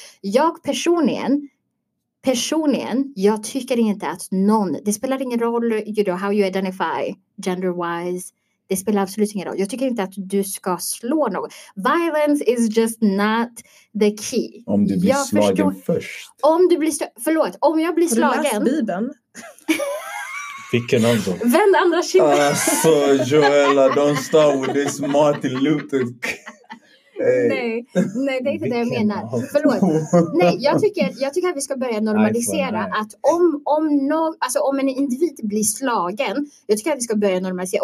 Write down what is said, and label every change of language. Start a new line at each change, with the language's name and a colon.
Swedish: Jag personligen, jag tycker inte att någon, det spelar ingen roll,
English: you know, how you identify gender wise,
Swedish: det spelar absolut ingen roll. Jag tycker inte att du ska slå någon.
English: Violence is just not the key.
Swedish: Om du blir slagen först. Om jag blir slagen. Läs Bibeln. Vilken av dem? Vänd andra kinden. Alltså,
English: Joella, don't start with this Martin Luther. Hey.
Swedish: Nej, det är inte det jag menar. Förlåt. Nej, jag tycker att vi ska börja normalisera att om en individ blir slagen, jag tycker att vi ska börja normalisera.